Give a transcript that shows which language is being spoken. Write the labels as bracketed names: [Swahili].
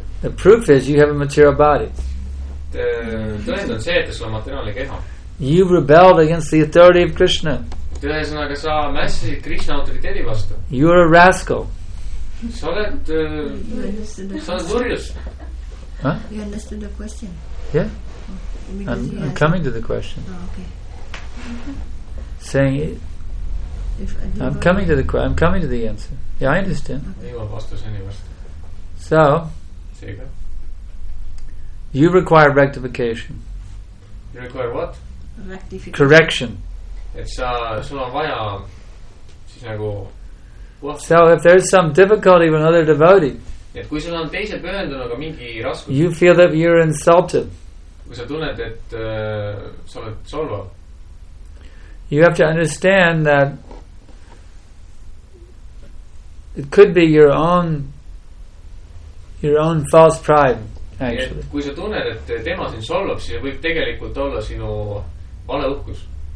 [English] The proof is you have a material body. [Estonian] Tõend on see, et sul on materiaalne keha. [English] You rebelled against the authority of Krishna. [Estonian] Ühesõnaga, sa mässisid Krishna autoriteedi vastu. [English] You're a rascal. [Estonian] Sa oled võrjus. [English] You understood the question. Yeah. I'm coming to the question. Oh, okay. Saying it. I'm coming to the answer. Yeah, I understand. Okay. So, you require rectification. You require what? Rectification. Correction. [Estonian] Sul on vaja, siis nagu, [English] so, if there's some difficulty with another devotee, [Estonian] et kui sul on teise pöördunuga mingi raskus, [English] you feel that you're insulted. [Estonian] Kui sa tunned, et sa oled solvav. [English] You have to understand that it could be your own false pride, actually. [Estonian] Kui sa tunned, et tema sind solvab, siis võib tegelikult olla sinu vale uhkus.